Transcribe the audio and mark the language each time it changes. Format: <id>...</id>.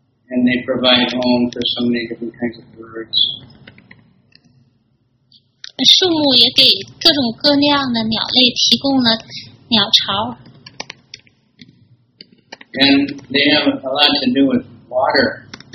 <en>And they provide home for so many different kinds of birds.</en> <zh>树木也给各种各样的鸟类提供了鸟巢。</zh> <en>And they have a lot to do with water.</en>